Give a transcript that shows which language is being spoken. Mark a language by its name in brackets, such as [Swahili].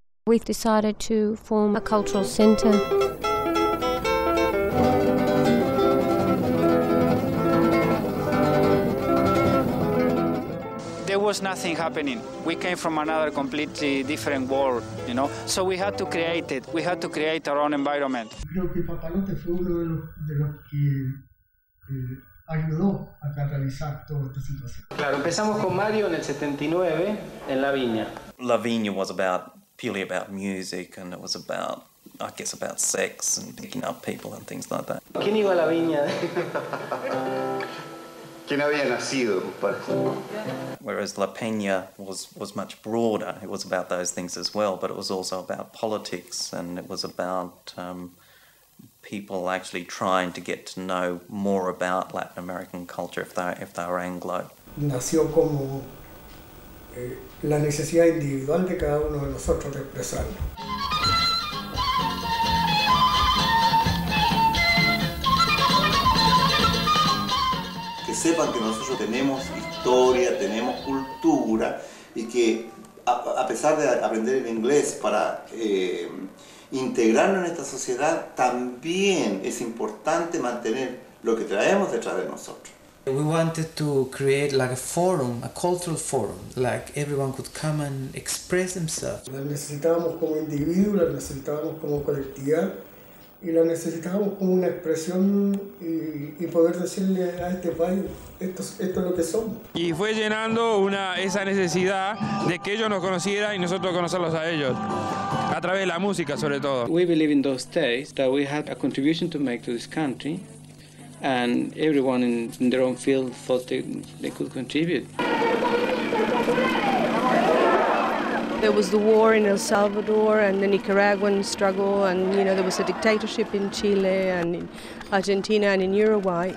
[English] We've decided to form a cultural center. There was nothing happening. We came from another completely different world, you know? So we had to create it. We had to create our own environment. [Spanish] Creo que Papalote fue uno de los que ayudó a catalizar toda esta situación. Claro, empezamos con Mario en el 79 en La Viña. [English] La Viña was about purely about music, and it was about, I guess, about sex and picking up people and things like that. [Spanish] ¿Quién iba a La Viña? ¿Quién había nacido? [English] Whereas La Peña was much broader. It was about those things as well, but it was also about politics, and it was about people actually trying to get to know more about Latin American culture if they're Anglo. [Spanish] Nació como la necesidad individual de cada uno de nosotros de expresarlo. Que sepan que nosotros tenemos historia, tenemos cultura, y que a pesar de aprender el inglés para integrarnos en esta sociedad, también es importante mantener lo que traemos detrás de nosotros. [English] We wanted to create like a forum, a cultural forum, like everyone could come and express themselves. [Spanish] La necesitábamos como individuo, la necesitábamos como colectividad, y la necesitábamos como una expresión y poder decirle a este país, esto es lo que somos. Y fue llenando esa necesidad de que ellos nos conocieran y nosotros conocerlos a ellos, a través de la música sobre todo. [English] We believe in those days that we had a contribution to make to this country, and everyone in their own field thought they could contribute. There was the war in El Salvador and the Nicaraguan struggle, and you know, there was a dictatorship in Chile and in Argentina and in Uruguay.